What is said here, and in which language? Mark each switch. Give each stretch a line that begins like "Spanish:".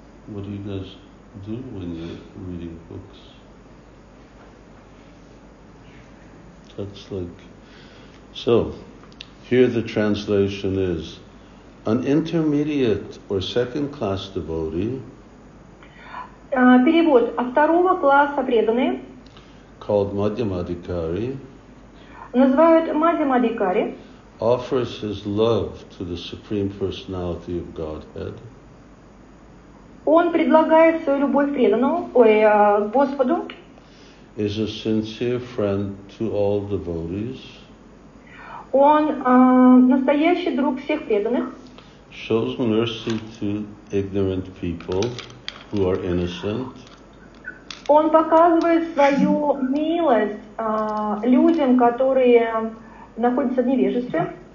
English: What do you guys do when you're reading books? That's like, so, here the translation is, an intermediate or second class devotee,
Russian: перевод, а второго класса преданный,
English: called Madhyamadhikari,
Russian: называют Madhyamadhikari,
English: offers his love to the Supreme Personality of Godhead,
Russian: он предлагает свою любовь преданному, ой, Господу,
English: is a sincere friend to all devotees.
Russian: Он настоящий друг всех преданных.
English: Shows mercy to ignorant people who are innocent.
Russian: Он показывает свою милость людям, которые находятся в невежестве.